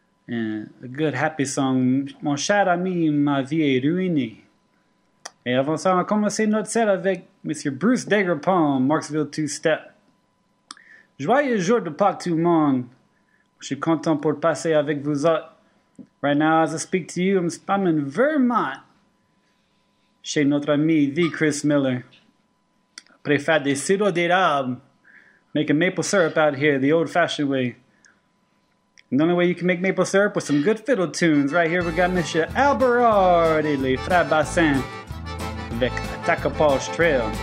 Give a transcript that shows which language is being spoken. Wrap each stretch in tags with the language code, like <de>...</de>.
<en>And a good happy song.</en> <fr>Mon cher ami, ma vie est ruinée. Et avant ça, on a commencé notre set avec M. Bruce Degrepont, Marksville Two Step. Joyeux jour de Pâques tout le monde. Je suis content pour passer avec vous autres.</fr> <en>Right now, as I speak to you, I'm in Vermont.</en> <fr>Chez notre ami,</fr> <en>The Chris Miller.</en> <fr>Préfère des sirops d'érable.</fr> <en>Making maple syrup out here, the old-fashioned way. And the only way you can make maple syrup with some good fiddle tunes. Right here we got Monsieur Alberard et les Frères Bassin avec Attaque-Poche Trail.</en>